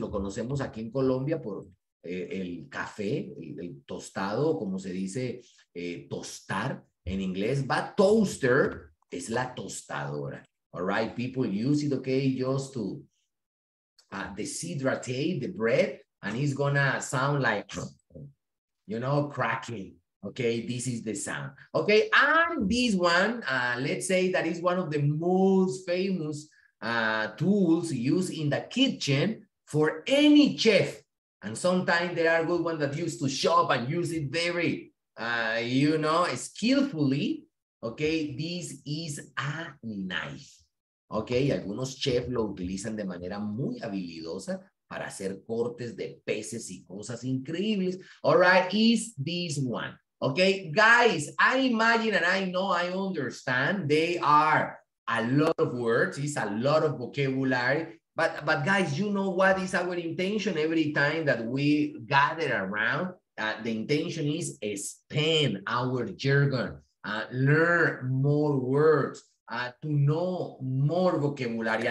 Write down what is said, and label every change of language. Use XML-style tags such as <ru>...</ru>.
<es>Lo conocemos aquí en Colombia por el café, el tostado, como se dice, tostar. En inglés, but toaster es la tostadora.</es> <en>All right, people use it, okay, just to deshydrate the bread, and it's gonna sound like, you know, cracking. Okay, this is the sound. Okay, and this one, let's say that is one of the most famous tools used in the kitchen for any chef. And sometimes there are good ones that used to shop and use it very, you know, skillfully. Okay, this is a knife.</en> <es>Okay, algunos chefs lo utilizan de manera muy habilidosa para hacer cortes de peces y cosas increíbles.</es> <en>All right, is this one. Okay, guys, I imagine and I know, I understand they are a lot of words. It's a lot of vocabulary. But guys, you know what is our intention every time that we gather around? The intention is expand our jargon, learn more words, to know more vocabulary.</en>